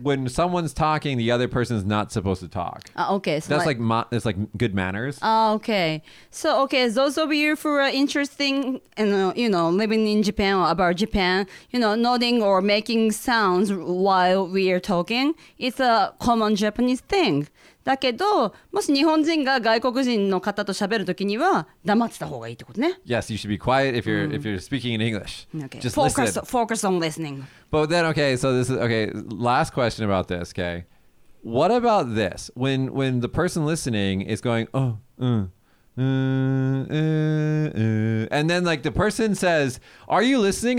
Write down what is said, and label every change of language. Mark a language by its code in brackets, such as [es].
[en] When someone's talking, the other person's not supposed to talk. Okay. So that's like good manners. Okay. So, okay. Those of you who are interesting in, you know, living in Japan or about Japan, you know, nodding or making sounds while we are talking, it's a common Japanese thing. [ja] だけど、もし日本人が外国人の方と喋るときには黙ってた方がいいってことね。 [en] Yes, you should be quiet if you're if you're speaking in English. Okay. Just focus on listening. But then, okay, so this is, okay, last question about this, okay. What about this? When the person listening is going, oh, and then like the person says, are you listening?